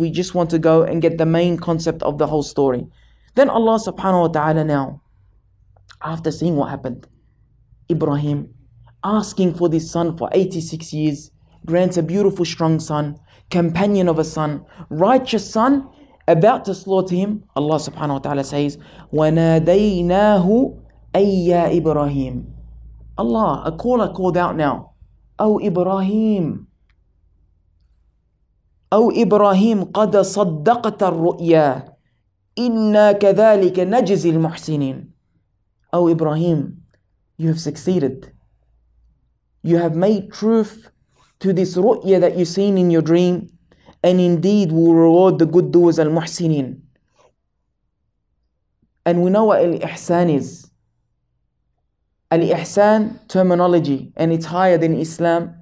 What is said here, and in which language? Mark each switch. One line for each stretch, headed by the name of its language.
English: We just want to go and get the main concept of the whole story. Then Allah subhanahu wa ta'ala now, after seeing what happened, Ibrahim asking for this son for 86 years, grants a beautiful, strong son, companion of a son, righteous son, about to slaughter him. Allah subhanahu wa ta'ala says,
Arabic: وَنَادَيْنَاهُ أَيَّا إِبْرَاهِيمُ.
English: Allah, a caller called out now. Ibrahim.
Arabic: Ibrahim, قَدَ صَدَّقَتَ الرُّؤْيَا إِنَّا كَذَلِكَ نَجْزِي الْمُحْسِنِينَ.
English: Ibrahim, you have succeeded. You have made truth to this ru'ya that you've seen in your dream, and indeed we will reward the good doers al-muhsinin. And we know what al-ihsan is. Al-Ihsan terminology, and it's higher than Islam.